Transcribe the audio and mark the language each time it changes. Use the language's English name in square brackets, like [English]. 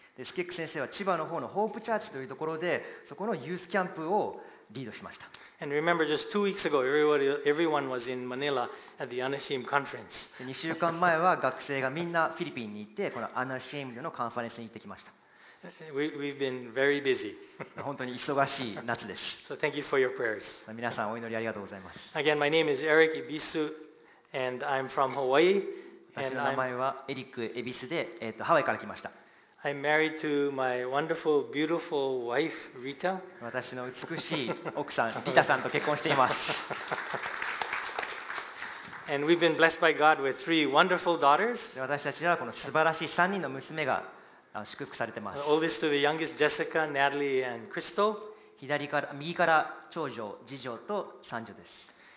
[Japanese] でスケック先生は千葉の方のホープチャーチというところでそこのユースキャンプをリードしました。 [English] And remember, just 2 weeks ago, everyone was in Manila at the Anashim conference. [Japanese] 2週間前は学生がみんなフィリピンに行ってこのアナシームのカンファレンスに行ってきました。 [English] We've been very busy. [Japanese] 本当に忙しい夏です。 [English] So thank you for your prayers. [Japanese] 皆さんお祈りありがとうございます。 [English] Again, my name is Eric Ibisu, and I'm from Hawaii. [Japanese] 私の名前はエリック・エビスで、ハワイから来ました。 [English] I'm married to my wonderful, beautiful wife, Rita. [Japanese] 私の美しい奥さん、リタさんと結婚しています。 [English] And we've been blessed by God with three wonderful daughters. [Japanese] 私たちはこの素晴らしい3人の娘が祝福されています。 [English] The oldest to the youngest, Jessica, Natalie, and Crystal. [Japanese] 右から長女、次女と三女です。